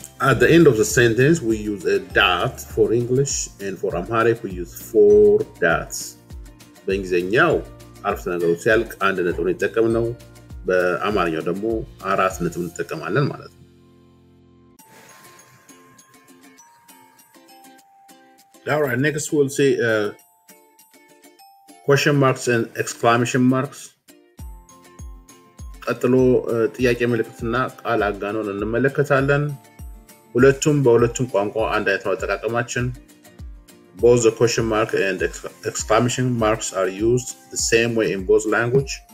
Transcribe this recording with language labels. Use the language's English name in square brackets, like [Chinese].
[English] At the end of the sentence, we use a dot for English and for Amharic, we use four dots. [Amharic] በእንግሊዝኛው አርፍተ ነገሩ ሲያልቅ አንድ ነጥብ ነው የተጠቀምነው። በአማርኛው ደግሞ አራት ነጥብ እንጠቀማለን ማለት ነው። [English] All right, next we'll see question marks and exclamation marks. [Amharic] ቀጥሎ ጥያቄ መልእክትና ቃል አጋኖን እንመለከታለን። ሁለቱም በሁለቱም ቋንቋ አንድ አይነት አጠቃቀማችን። [English] Both the question mark and exclamation marks are used the same way in both language.